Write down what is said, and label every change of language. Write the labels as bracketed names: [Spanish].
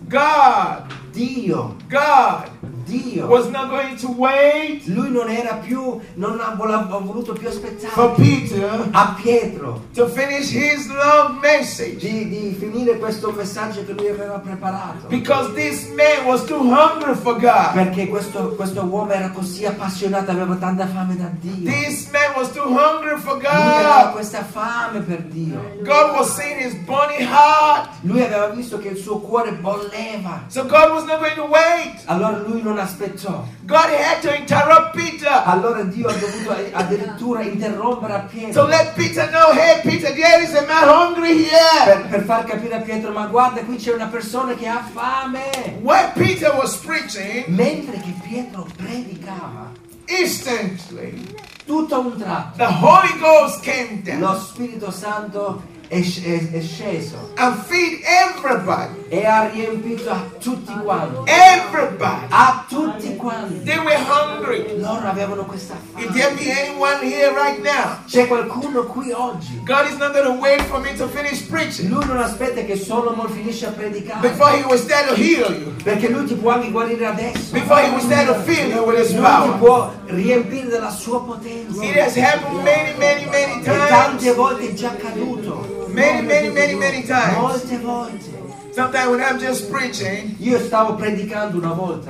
[English] God. [Italian] Dio. [English] God. [Italian] Dio [English] was not going to wait. [Italian] Lui non era più, non ha voluto più aspettare. [English] For Peter, [Italian] a Pietro, [English] to finish his long message. [Italian] Di finire questo messaggio che lui aveva preparato. [English] Because this man was too hungry for God. [Italian] Perché questo uomo era così appassionato, aveva tanta fame da Dio. [English] This man was too hungry for God. [Italian] Lui aveva questa fame per Dio. [English] God was seeing his bony heart. [Italian] Lui aveva visto che il suo cuore bolleva. [English] So God was not going to wait. [Italian] Allora lui non aspettò. [English] God had to interrupt Peter. [Italian] Allora Dio ha dovuto addirittura interrompere a Pietro. [English] So let Peter know, hey Peter, there is a man hungry here. [Italian] Per far capire a Pietro, ma guarda, qui c'è una persona che ha fame. [English] While Peter was preaching, [Italian] mentre che Pietro predicava, [English] instantly, [Italian] tutto un tratto, [English] the Holy Ghost came down. [Italian] Lo Spirito Santo è sceso. [English] And feed everybody. [Italian] E ha riempito a tutti quanti. [English] Everybody. [Italian] A tutti quanti. [English] They were hungry. [Italian] Loro avevano questa fame. [English] Is there anyone here right now? [Italian] C'è qualcuno qui oggi? [English] God is not going to wait for me to finish preaching. [Italian] Lui non aspetta che Solomon finisce a predicare. [English] Before he was there to heal you. [Italian] Perché lui ti può anche guarire adesso. [English] Before he was there to fill you with his [Italian] lui [English] power. [Italian] Lui ti può riempire della sua potenza. [English] It has happened many, many, many times. [Italian] E tante volte è già accaduto. [English] Many, many, many, many times. [Italian] Molte volte. [English] Sometimes when I'm just preaching, [Italian] io stavo predicando una volta,